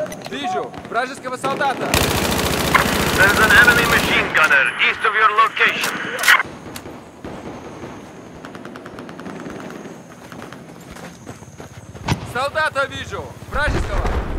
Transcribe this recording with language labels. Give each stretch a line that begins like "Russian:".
Russian: Вижу вражеского солдата.
English: There's an enemy machine gunner east of your location.
Russian: Солдата вижу вражеского.